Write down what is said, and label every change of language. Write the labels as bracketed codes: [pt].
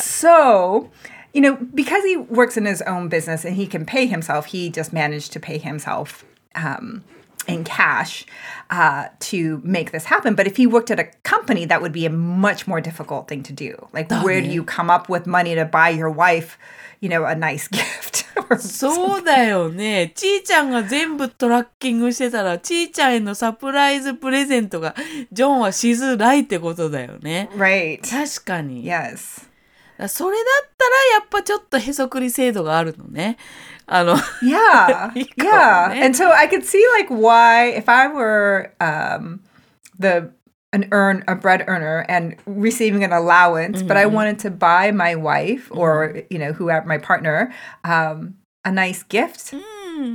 [en] So, you know, because he works in his own business and he can pay himself, he just managed to pay himself in cash to make this happen. But if he worked at a company, that would be a much more difficult thing to do. Like, where do you come up with money to buy your wife, you know, a nice gift? [ja] そうだよね。ちーちゃんが全部トラッキングしてたら、ちーちゃんへのサプライズプレゼントがジョンはしづらいってことだよね。 [en] Right. [ja] 確かに。 [en] Yes. [ja] それだったらやっぱちょっとへそくり制度があるのね。あの Yeah, いいかもね。 [en] Yeah. And so I could see like why if I were a bread earner and receiving an allowance,、mm-hmm. but I wanted to buy my wife or、mm-hmm. you know whoever my partner a nice gift,、 mm-hmm.